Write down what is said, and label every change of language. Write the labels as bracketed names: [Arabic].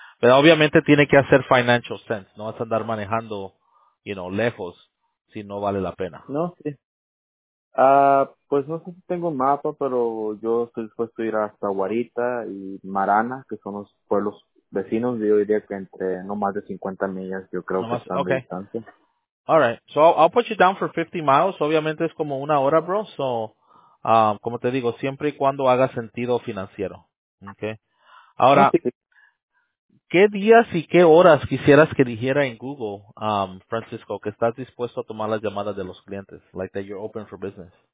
[Spanish] Pero obviamente tiene que hacer [English] financial sense. [Spanish] No vas a andar manejando, [English] you know, [Spanish] lejos si no vale la pena. No, sí. Pues no sé si tengo un mapa, pero yo estoy dispuesto a ir hasta Guarita y Marana, que son los pueblos vecinos. Yo diría que entre no más de 50 millas, yo creo que están De distancia. [English] All right, so I'll put you down for 50 miles. [Spanish] Obviamente es como una hora, bro. So, como te digo, siempre y cuando haga sentido financiero. Okay. Ahora, ¿qué días y qué horas quisieras que dijera en Google, Francisco, que estás dispuesto a tomar las llamadas de los clientes? [English] Like that you're open for business.